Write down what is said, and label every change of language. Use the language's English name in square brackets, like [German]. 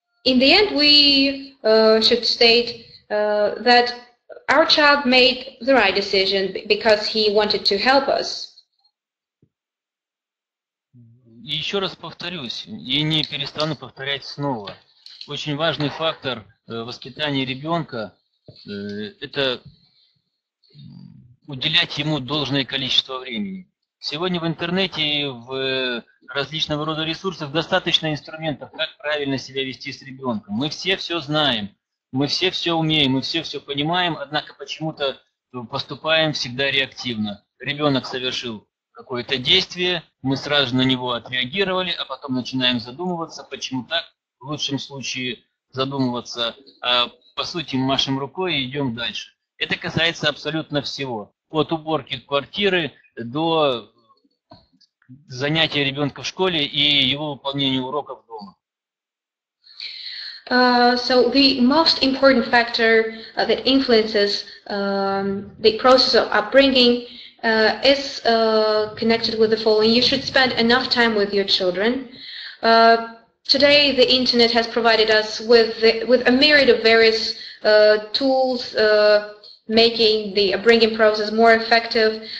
[English] In the end, we should state that our child made the right decision because he wanted to help us. [Russian] Еще раз повторюсь, и не перестану повторять снова. Очень важный фактор воспитания ребенка – это уделять ему должное количество времени. Сегодня в интернете и в различного рода ресурсах достаточно инструментов, как правильно себя вести с ребенком. Мы все все знаем, мы все все умеем, мы все все понимаем, однако почему-то поступаем всегда реактивно. Ребенок совершил какое-то действие, мы сразу на него отреагировали, а потом начинаем задумываться, почему так, в лучшем случае задумываться, а по сути машем рукой и идем дальше. Это касается абсолютно всего. От уборки квартиры до занятия ребенка в школе и его выполнения уроков дома. [English] So the most important factor that influences the process of upbringing is connected with the following. You should spend enough time with your children. Today the internet has provided us with a myriad of various tools making the upbringing process more effective.